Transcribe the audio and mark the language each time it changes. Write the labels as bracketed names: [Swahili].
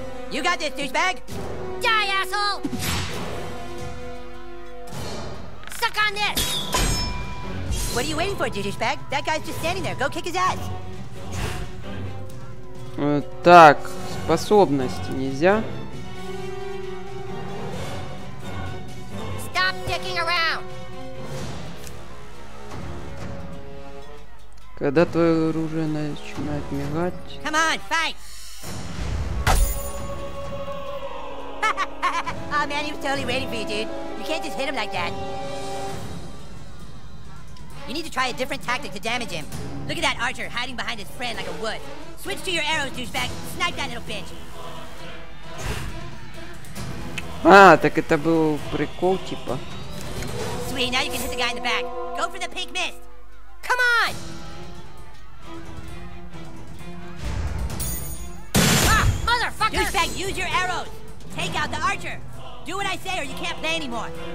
[English] You got this, douchebag! Die, asshole! Suck on this! What are you waiting for, douchebag? That guy's just standing there. Go kick his ass. [Russian] Так, способности нельзя. [English] Stop dicking around. [Russian] Когда твое оружие начинает мигать? [English] Come on, fight! Oh man, he was totally waiting for you, dude. You can't just hit him like that. You need to try a different tactic to damage him. Look at that archer hiding behind his friend like a wood. Switch to your arrows, douchebag. Snipe that little bitch. [Russian] А, так это был прикол, типа. [English] Sweet, now you can hit the guy in the back. Go for the pink mist. Come on! Ah, motherfucker! Douchebag, use your arrows. Take out the archer. Do what I say or you can't play anymore.